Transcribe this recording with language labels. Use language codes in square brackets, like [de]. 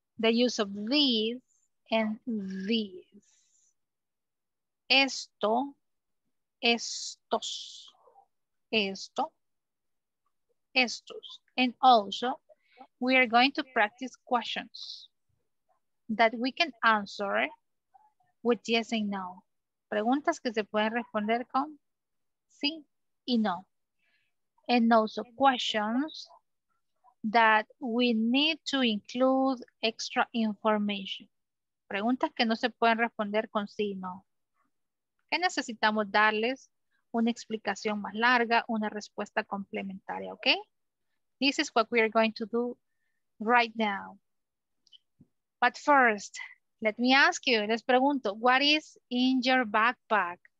[en] The use of these and these. [es] Esto, estos, esto, estos. [en] And also, we are going to practice questions that we can answer with yes and no. [es] Preguntas que se pueden responder con sí y no. [en] And also questions that we need to include extra information. [es] Preguntas que no se pueden responder con sí y no. Que necesitamos darles una explicación más larga, una respuesta complementaria, ¿ok? [en] This is what we are going to do right now. But first, let me ask you, [es] les pregunto, [en] what is in your backpack?